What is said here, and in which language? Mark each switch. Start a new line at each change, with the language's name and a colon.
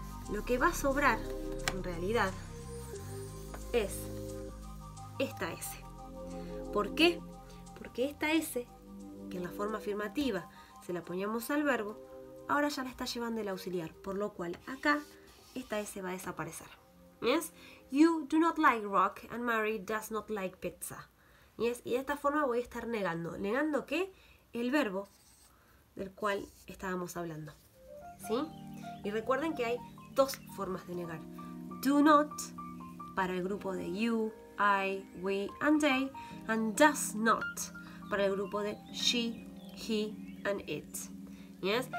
Spanish: Lo que va a sobrar, en realidad, es esta S. ¿Por qué? Porque esta S, que en la forma afirmativa se la poníamos al verbo, ahora ya la está llevando el auxiliar, por lo cual acá esta S va a desaparecer.
English: ¿Yes? You do not like rock and Mary does not like pizza. ¿Yes?
Spanish: Y de esta forma voy a estar negando. ¿Negando qué? El verbo del cual estábamos hablando. ¿Sí? Y recuerden que hay dos formas de negar.
English: Do not,
Spanish: para el grupo de
English: you, I, we, and they, and does not, para el grupo de she, he, and it. ¿Yes?